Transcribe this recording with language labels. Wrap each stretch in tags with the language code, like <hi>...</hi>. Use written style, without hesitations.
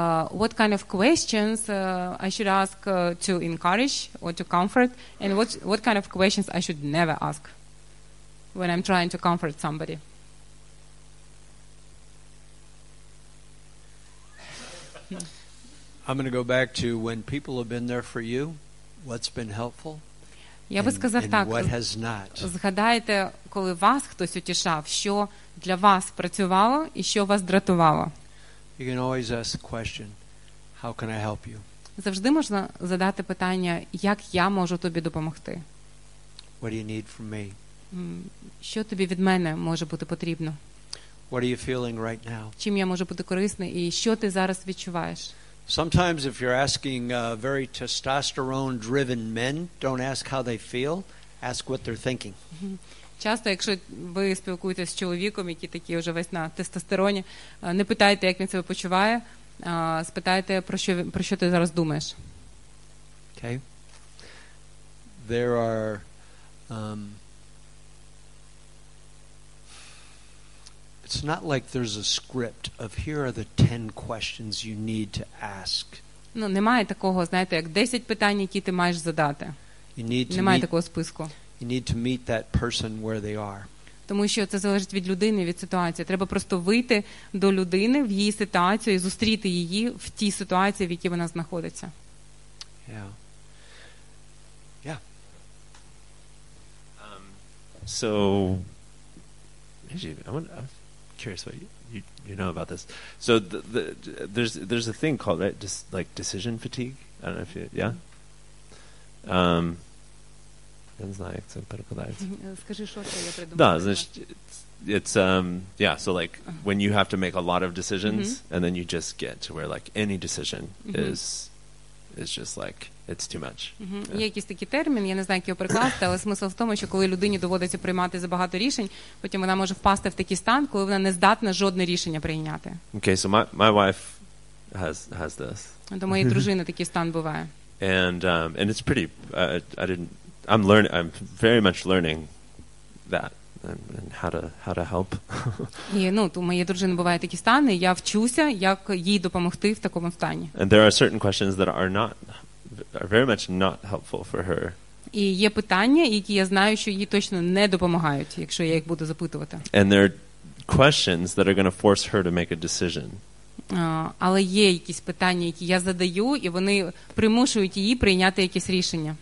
<en>What kind of questions I should ask to encourage or to comfort, and what kind of questions I should never ask when I'm trying to comfort somebody? I'm going to go back to when people have been there for you, what's been helpful?</en> <uk>Я би сказав так. Згадайте, коли вас хтось утішав, що для вас працювало і що вас дратувало.</uk> <en>You can always ask the question, how can I help you?</en> <uk>Завжди можна задати питання, як я можу тобі допомогти?</uk> <en>What do you need from me?</en> <uk>Що тобі від мене може бути потрібно?</uk> <en>What are you feeling right now?</en> <uk>Чим я можу бути корисний і що ти зараз відчуваєш?</uk> <en>Sometimes if you're asking very testosterone driven men, don't ask how they feel, ask what they're thinking.</en> <uk>Часто, якщо ви спілкуєтесь з чоловіком, який такий уже весь на тестостероні, не питайте, як він себе почуває, спитайте, про що ти зараз думаєш.</uk> <en>Okay. There are it's not like there's a script of here are the 10 questions you need to ask.</en> <uk>Ну, немає такого, знаєте, як 10 питань, які ти маєш задати. Немає такого списку.</uk> <en>You need to meet that person where they are.</en> <uk>Тому що це залежить від людини, від ситуації. Треба просто вийти до людини в її ситуацію і зустріти її в тій ситуації, в якій вона знаходиться.</uk> <en>Yeah. So actually, I'm curious what you know about this. So there's a thing called, right, just like decision fatigue. I don't know if you, yeah.</en> <uk>Не знаю, як це перекладається. Скажи, що це, я придумав. Да, значить,</uk> <en>it's when you have to make a lot of decisions, mm-hmm. and then you just get to where like any decision mm-hmm. is just like it's too much. Mm-hmm.</en> <uk>Yeah. Є якийсь такий термін, я не знаю, як його перекласти, але смисл в тому, що коли людині доводиться приймати забагато рішень, потім вона може впасти в такий стан, коли вона не здатна жодне рішення прийняти.</uk> <en>Okay, so my wife has this.</en> <uk>До моєї дружини такий стан буває.</uk> <en>And it's pretty I'm very much learning that and how to help.</en> <uk>І, ну, у моєї дружини бувають такі стани, я вчуся, як їй допомогти в такому стані.</uk> <en>And there are certain questions that are very much not helpful for her.</en> <uk>І є питання, які я знаю, що їй точно не допомагають, якщо я їх буду запитувати.</uk> <en>And there are questions that are going to force her to make a decision.</en> <uk>Але є якісь питання, які я задаю, і вони примушують її прийняти якесь рішення.</uk>